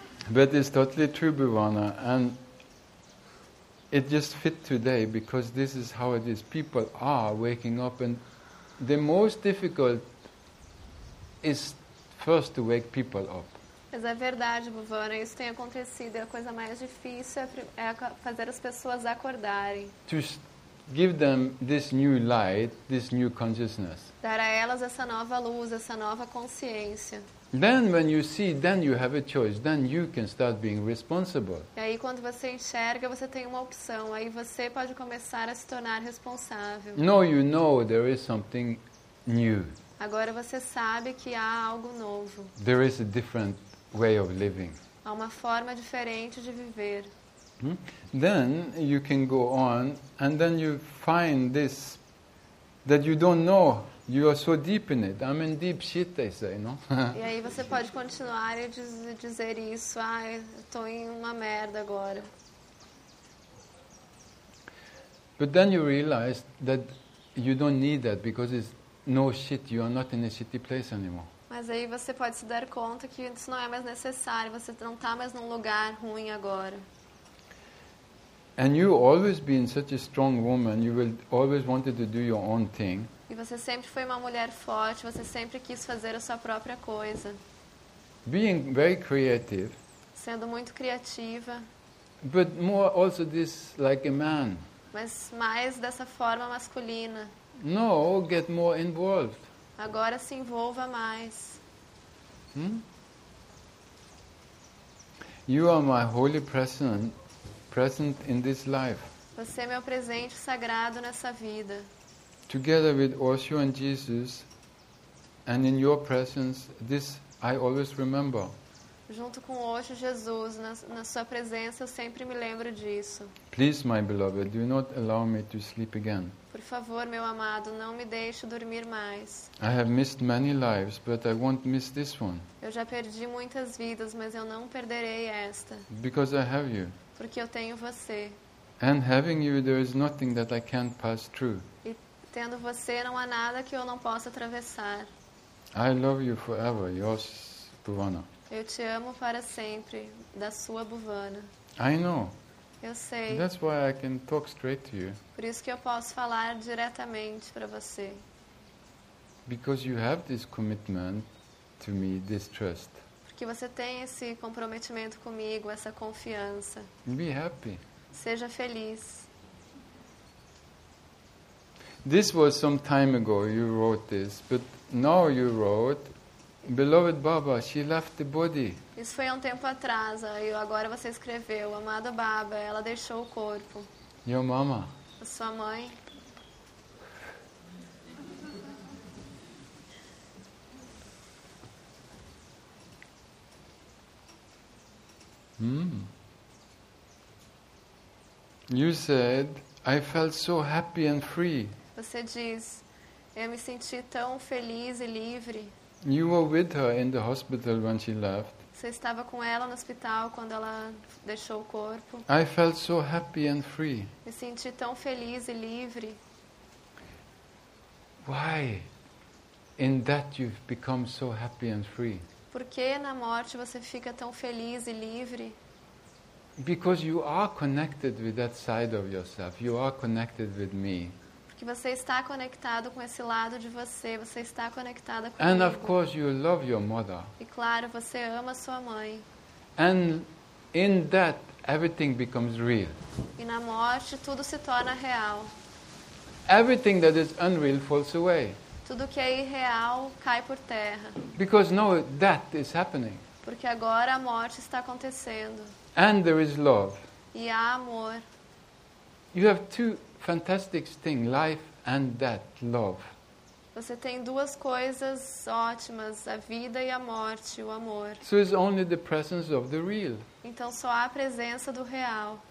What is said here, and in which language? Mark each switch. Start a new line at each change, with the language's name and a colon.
English: But it's totally true, Bhavana, and it just fit today because this is how it is. People are waking up, and the most difficult is first to wake people up.
Portuguese: Mas é verdade, Bhavana, isso tem acontecido. A coisa mais difícil é fazer as pessoas acordarem.
English: To give them this new light, this new consciousness.
Portuguese: Dar a elas essa nova luz, essa nova consciência.
English: Then when you see, then you have a choice. Then you can start being responsible.
Portuguese: E aí quando você enxerga, você tem uma opção. Aí você pode começar a se tornar responsável.
English: No, you know there is something new.
Portuguese: Agora você sabe que há algo novo.
English: There is a different way of living.
Portuguese: Há uma forma diferente de viver.
English: Then you can go on and then you find this that you don't know. You are so deep in it. I'm in deep shit, they say, no?
Portuguese: E aí você pode continuar e dizer isso. Ah, estou em uma merda agora.
English: But then you realize that you don't need that because it's no shit. You are not in a shitty place anymore.
Portuguese: Mas aí você pode se dar conta que isso não é mais necessário. Você não está mais num lugar ruim agora.
English: And you always been such a strong woman, you will always wanted to do your own thing.
Portuguese: E você sempre foi uma mulher forte, você sempre quis fazer a sua própria coisa.
English: Being very creative.
Portuguese: Sendo muito criativa.
English: But more also this like a man.
Portuguese: Mas mais dessa forma masculina.
English: No, get more involved.
Portuguese: Agora se envolva mais.
English: You are my holy present in this life.
Portuguese: Você é meu presente sagrado nessa vida.
English: Together with Osho and Jesus, and in your presence, this I always remember.
Portuguese: Junto com Osho e Jesus, na sua presença, eu sempre me lembro disso.
English: Please, my beloved, do not allow me to sleep again.
Portuguese: Por favor, meu amado, não me deixe dormir mais.
English: I have missed many lives, but I won't miss this one.
Portuguese: Eu já perdi muitas vidas, mas eu não perderei esta.
English: Because I have you.
Portuguese: Porque eu tenho você.
English: And having you, there is nothing that I can't pass through.
Portuguese: E tendo você, não há nada que eu não possa atravessar.
English: I love you forever, yours, Bhuvana.
Portuguese: Eu te amo para sempre, da sua Bhuvana.
English: I know.
Portuguese: Eu sei.
English: That's why I can talk straight to you.
Portuguese: Por isso que eu posso falar diretamente para você.
English: Because you have this commitment to me, this trust.
Portuguese: Porque você tem esse comprometimento comigo, essa confiança.
English: Be happy.
Portuguese: Seja feliz.
English: This was some time ago you wrote this, but now you wrote, beloved Baba, she left the body.
Portuguese: Isso foi há um tempo atrás, aí agora você escreveu, amado Baba, ela deixou o corpo.
English: Your mama.
Portuguese: A sua mãe.
English: You said, I felt so happy and free.
Portuguese: Você diz, eu me senti tão feliz e livre.
English: You were with her in the hospital when she left.
Portuguese: Você estava com ela no hospital quando ela deixou o corpo.
English: I felt so happy and free.
Portuguese: Me senti tão feliz e livre.
English: Why? In that you've become so happy and free.
Portuguese: Por que na morte você fica tão feliz e livre?
English: Because you are connected with that side of yourself. You are connected with me.
Portuguese: Que você está conectado com esse lado de você, você está conectada comigo.
English: And of course you love your mother.
Portuguese: E claro, você ama sua mãe.
English: And in that everything becomes real.
Portuguese: E na morte tudo se torna real.
English: Everything that is unreal falls away.
Portuguese: Tudo que é irreal cai por terra.
English: Because now that is happening.
Portuguese: Porque agora a morte está acontecendo.
English: And there is love.
Portuguese: E há amor.
English: You have two fantastic thing, life and death, love.
Portuguese: Você tem duas coisas ótimas, a vida e a morte, o amor.
English: So it's only the presence of the real. Então só há a presença do real.